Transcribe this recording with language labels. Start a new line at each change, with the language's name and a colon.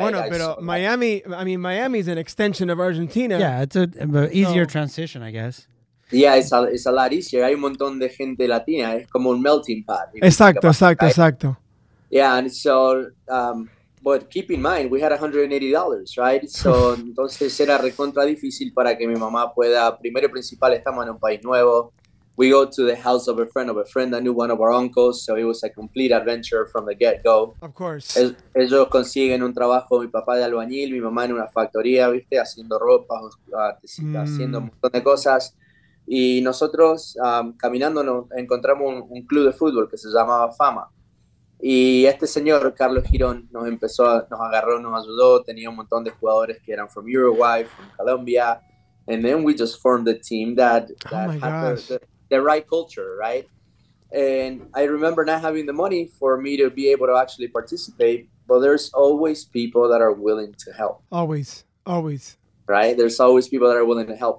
Spanish: Bueno, pero
English: Miami, I mean, Miami is an extension of Argentina. Yeah, it's an easier transition, I guess. Yeah, it's a lot easier.
Spanish: Hay un montón de gente latina. Es como un melting pot. Exacto.
English: Yeah, and so, but keep in mind, we had $180, right?
Spanish: So, entonces era recontra difícil para que mi mamá pueda. Primero y principal, estamos en un país nuevo.
English: We go to the house of a friend that knew one of our uncles, so it was a complete adventure from the get-go. Of course.
Spanish: Ellos consiguen un trabajo, mi papá de albañil, mi mamá en una factoría, viste, haciendo ropa, haciendo un montón de cosas. Y nosotros, caminando, encontramos un club de fútbol que se llamaba Fama. Y este señor, Carlos Girón, nos agarró, nos ayudó. Tenía un montón de jugadores que eran
English: from Uruguay, from Colombia. And then we just formed a team that had the right culture, right? And I remember not having the money for me to be able to actually participate. But there's always people that are willing to help. Always, always. Right, there's always people that are willing to help.